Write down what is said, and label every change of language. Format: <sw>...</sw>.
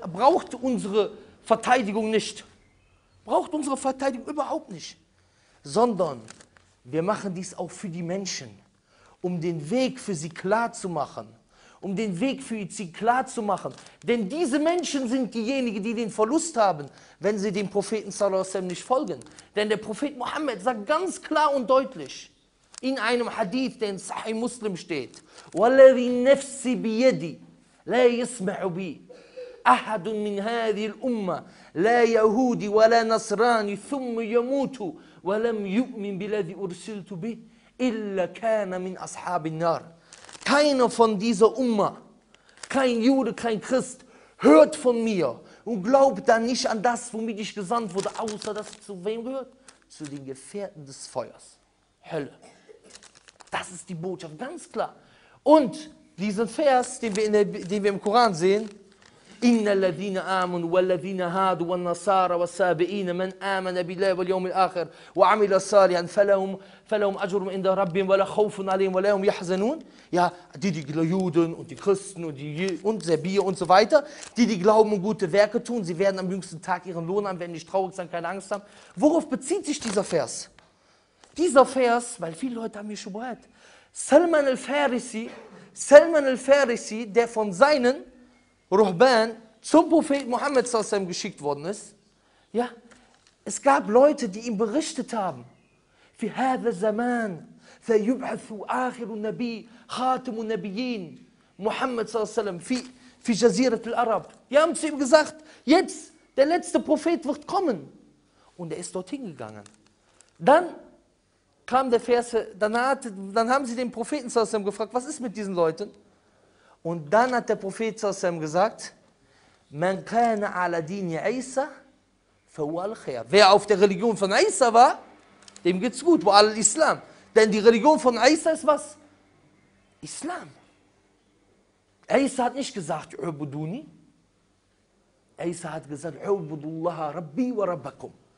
<de>braucht unsere Verteidigung nicht. Braucht unsere Verteidigung überhaupt nicht. Sondern wir machen dies auch für die Menschen, um den Weg für sie klar zu machen. Um den Weg für sie klar zu machen. Denn diese Menschen sind diejenigen, die den Verlust haben, wenn sie dem Propheten sallallahu alaihi wasallam nicht folgen. Denn der Prophet Muhammad sagt ganz klar und deutlich in einem Hadith, der in Sahih Muslim steht:</de> <ar>وَالَّذِي نَفْسِ بِيَدِي لَا يَسْمَعُ بِي أَحَدٌ مِنْ هَذِي الْأُمَّةِ لَا يَهُودِ وَلَا نَصْرَانِ ثُمَّ يَمُوتُ وَلَمْ يُؤْمِنْ بِلَذِي أُرْسِلْتُ بِهِ إِلَّا كَانَ مِنْ أَصْحَابِ النَّارِ.</ar> <de>Keiner von dieser Umma, kein Jude, kein Christ, hört von mir und glaubt dann nicht an das, womit ich gesandt wurde, außer dass es zu wem gehört? Zu den Gefährten des Feuers. Hölle. Das ist die Botschaft, ganz klar. Und diesen Vers, den wir im Koran sehen,</de> <ar>إِنَّ الَّذِينَ آمَنُوا وَالَّذِينَ هَادُوا وَالنَّصَارَ وَالسَّابِئِينَ مَنْ آمَنَ بِاللَّهِ وَالْيَوْمِ الْآخِرِ وَعَمِلَ صَالِحًا فَلَهُمْ أَجْرٌ عِنْدَ رَبِّهِمْ وَلَا خَوْفٌ عَلَيْهِمْ وَلَا هُمْ يَحْزَنُونَ.</ar> <de>Ja, die Juden und die Christen und Serbier und so weiter, die glauben und gute Werke tun, sie werden am jüngsten Tag ihren Lohn haben, werden nicht traurig sein, keine Angst haben. Worauf bezieht sich dieser Vers? Dieser Vers, weil viele Leute haben mir schon gehört, Salman al-Farisi, der von seinen Ruhban zum Prophet Muhammad s.a.w. geschickt worden ist. Ja, es gab Leute, die ihm berichtet haben.</de> <ar>في هذا الزمان سيبعث آخر النبي خاتم النبيين محمد صلى الله عليه وسلم في جزيرة العرب.</ar> <de>Die haben zu ihm gesagt, jetzt, der letzte Prophet wird kommen. Und er ist dorthin gegangen. Dann kam der Vers, dann haben sie den Propheten صلى الله عليه وسلم gefragt, was ist mit diesen Leuten? Und dann hat der Prophet صلى الله عليه وسلم gesagt,</de> <ar>من كان على دين عيسى فهو الخير.</ar> <de>Wer auf der Religion von عيسى war, dem geht's gut, wo alle Islam. Denn die Religion von Isa ist was? Islam. Isa hat nicht gesagt, Ubuduni. Isa hat gesagt,</de> <ar>Ubudullah, Rabbi wa Rabbakum.</ar>